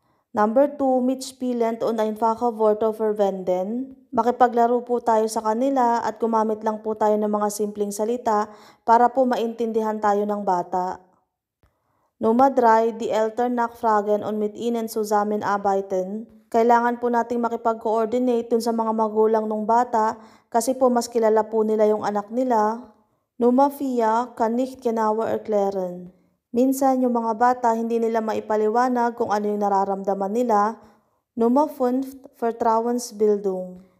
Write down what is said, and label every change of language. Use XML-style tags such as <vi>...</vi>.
<en>Number 2,</en> <de>mitspielend und einfache Wörter verwenden.</de> <tl>Makipaglaro po tayo sa kanila at gumamit lang po tayo ng mga simpleng salita para po maintindihan tayo ng bata.</tl> <de>Nummer 3, die Eltern nachfragen und mit ihnen zusammenarbeiten.</de> <tl>Kailangan po nating makipag-coordinate dun sa mga magulang ng bata kasi po mas kilala po nila yung anak nila.</tl> <de>Numa fia, kann nicht genauer erklären.</de> <tl>Minsan yung mga bata hindi nila maipaliwanag kung ano yung nararamdaman nila.</tl> <de>Numa fünf, Vertrauensbildung.</de>